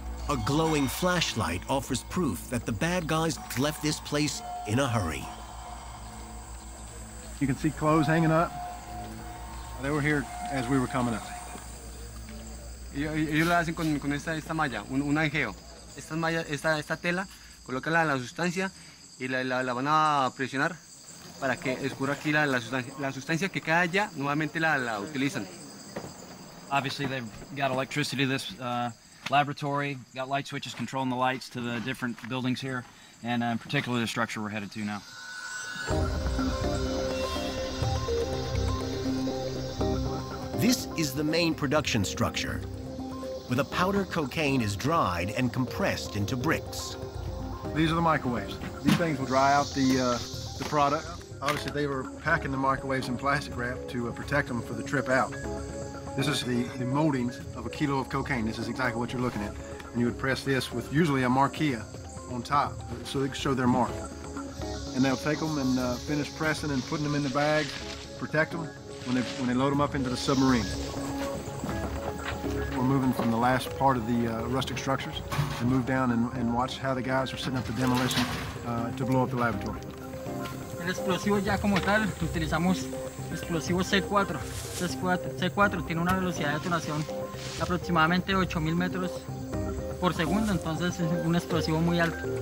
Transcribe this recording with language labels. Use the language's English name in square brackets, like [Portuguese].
[English] A glowing flashlight offers proof that the bad guys left this place in a hurry. You can see clothes hanging up. They were here as we were coming up. [Spanish] Ellos lo hacen con esta malla, un ajeo. Esta malla, esta tela, colócala en la sustancia y la van a presionar para que escurra aquí la sustancia que cae allá, nuevamente la utilizan. [English] Obviously they've got electricity to this laboratory, got light switches controlling the lights to the different buildings here, and in particular the structure we're headed to now. This is the main production structure, where the powder cocaine is dried and compressed into bricks. These are the microwaves. These things will dry out the product. Obviously, they were packing the microwaves in plastic wrap to protect them for the trip out. This is the moldings of a kilo of cocaine. This is exactly what you're looking at. And you would press this with usually a marquee on top so they can show their mark. And they'll take them and finish pressing and putting them in the bag, protect them when they load them up into the submarine. We're moving from the last part of the rustic structures to move down and watch how the guys are setting up the demolition to blow up the laboratory. [Spanish] El explosivo ya como tal, utilizamos explosivo C4 tiene una velocidad de detonación aproximadamente 8,000 metros por segundo, entonces es un explosivo muy alto.